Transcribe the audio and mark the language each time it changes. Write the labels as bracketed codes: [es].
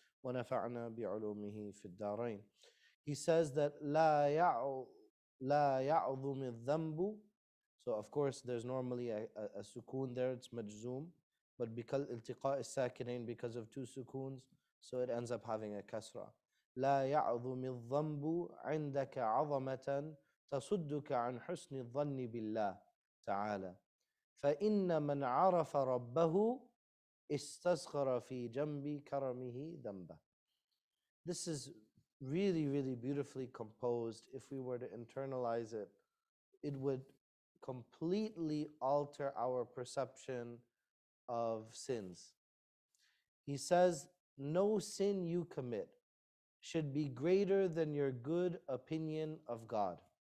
[ar] وَنَفَعْنَا بِعُلُومِهِ فِي الدَّارَيْنِ. [en] He says that [ar] لَا يَعْظُمِ الذَّنْبُ. [en] So of course, there's normally a sukoon there, it's majzoom, but because iltiqa' al-sakinain, because of two sukoons, so it ends up having a kasra. [ar] لا يعظم الذنب عندك عظمة تصدك عن حسن الظن بالله تعالى. فإن من عرف ربه استسخر في جنب كرمه ذنبه. [en] This is really, really beautifully composed. If we were to internalize it, it would completely alter our perception of sins. He says, no sin you commit should be greater than your good opinion of God.